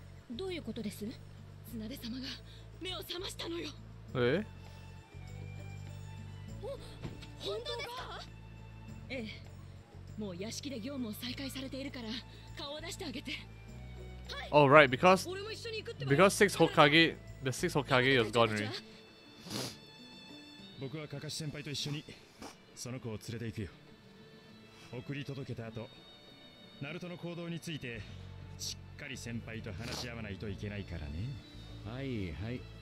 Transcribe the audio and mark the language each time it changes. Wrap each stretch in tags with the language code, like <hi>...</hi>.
<ja>どういうことです。綱手様が目を覚ましたのよ。え、お、本当ですか。ええ、もう屋敷で業務を再開されているから顔を出してあげて。</ja> <en>Oh, right, because 6 Hokage, the 6 Hokage is gone already.</en> <ja>僕はカカシ先輩と一緒にその子を連れて行くよ。送り届けた後、ナルトの行動についてしっかり先輩と話し合わないといけないからね。はいはい。</ja>